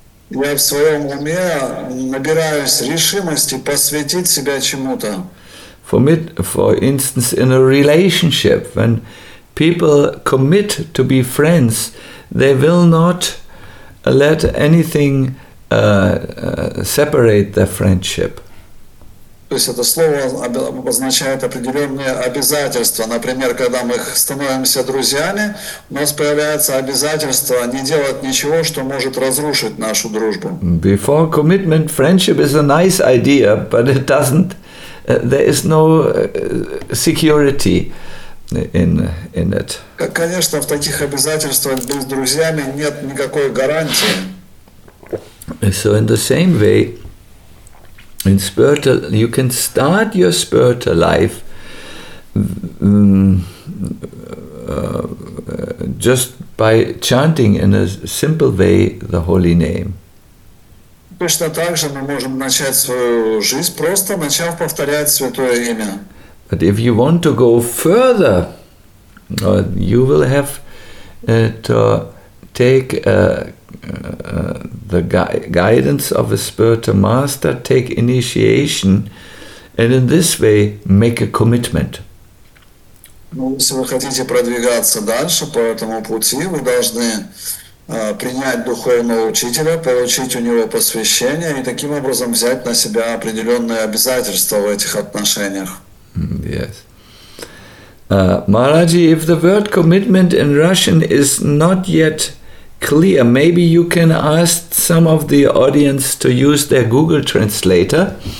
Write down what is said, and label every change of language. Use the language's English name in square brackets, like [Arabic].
[Russian] я в своем уме набираюсь решимости посвятить себя чему-то. [English] For me, for instance, in a relationship, when people commit to be friends, they will not let anything separate their friendship. [Russian] То есть это слово обозначает определенные обязательства. Например, когда мы становимся друзьями, у нас появляется обязательство не делать ничего, что может разрушить нашу дружбу. [English] Before commitment, friendship is a nice idea, but it doesn't. There is no security in it. [Russian] Конечно, в таких обязательствах быть друзьями нет никакой гарантии. [English] So in the same way, in spiritual, you can start your spiritual life just by chanting in a simple way the holy name. [Russian] Точно так же мы можем начать свою жизнь, просто начав повторять святое имя. [English] But if you want to go further, you will have to take the guidance of a spiritual master, take initiation, and in this way make a commitment. [Russian] Ну, если вы хотите продвигаться дальше по этому пути, вы должны принять духовного учителя, получить у него посвящение и таким образом взять на себя определенные обязательства в этих отношениях. [English] Yes. Maharaji, if the word commitment in Russian is not yet clear, maybe you can ask some of the audience to use their Google Translator.